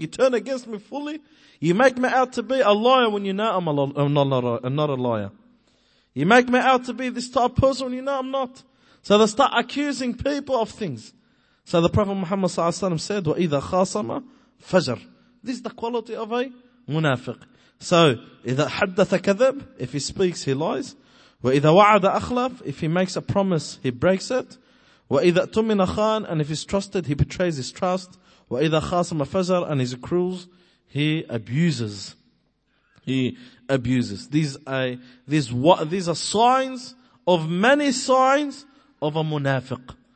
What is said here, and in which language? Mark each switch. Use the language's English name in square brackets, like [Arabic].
[English] You turn against me fully. You make me out to be a liar when you know I'm not a liar. You make me out to be this type of person when you know I'm not. So they start accusing people of things. So the Prophet Muhammad sallallahu alaihi wasallam said, [Arabic] وَإِذَا خَاصَمَ فَجَر. [English] This is the quality of a munafiq. So, [Arabic] إِذَا حَدَّثَ كَذَب. [English] If he speaks, he lies. [Arabic] وَإِذَا وَعَدَ أَخْلَف. [English] If he makes a promise, he breaks it. [Arabic] وَإِذَا تُمِنَ خَان. [English] And if he's trusted, he betrays his trust. [Arabic] وَإِذَا خَاصَمَ فَجَر. [English] And he's cruel, he abuses. He abuses. These are signs of many signs of a munafiq.